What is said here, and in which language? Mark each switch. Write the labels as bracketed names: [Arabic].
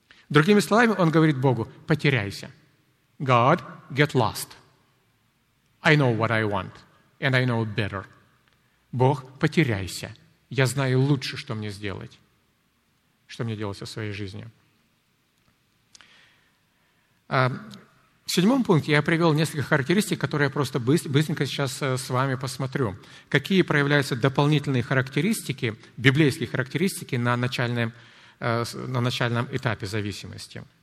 [Russian] Другими словами, он говорит Богу, потеряйся. [English] God, get lost. I know what I want, and I know better. [Russian] Бог, потеряйся. Я знаю лучше, что мне сделать. Что мне делать со своей жизнью. В седьмом пункте я привел несколько характеристик, которые я просто быстренько сейчас с вами посмотрю. Какие проявляются дополнительные характеристики, библейские характеристики на начальном этапе зависимости.